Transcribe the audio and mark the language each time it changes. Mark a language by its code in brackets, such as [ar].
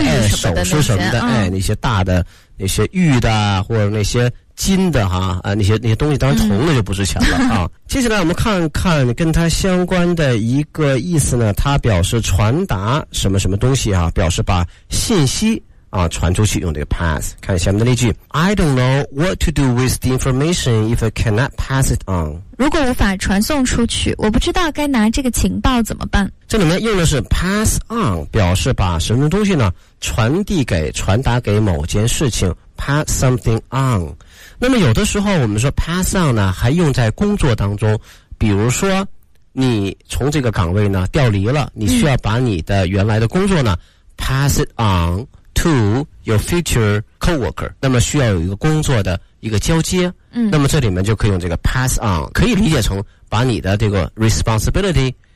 [zh] 首饰什么的，那些大的那些玉的或者那些金的哈，那些东西，当然铜的就不值钱了啊。接下来我们看看跟它相关的一个意思呢，它表示传达什么什么东西啊，表示把信息啊传出去，用这个 pass。看下面的例句， [en] I don't know what to do with the information if I cannot pass it on。 [zh] 如果无法传送出去，我不知道该拿这个情报怎么办。这里面用的是 pass on， 表示把什么东西呢传递给，传达给某件事情， pass something on。那么有的时候我们说 pass on 呢还用在工作当中，比如说你从这个岗位呢调离了，你需要把你的原来的工作呢 [en] pass it onTo your future coworker， [zh] 那么需要有一个工作的一个交接，那么这里面就可以用这个 pass on， 可以理解成把你的这个 responsibility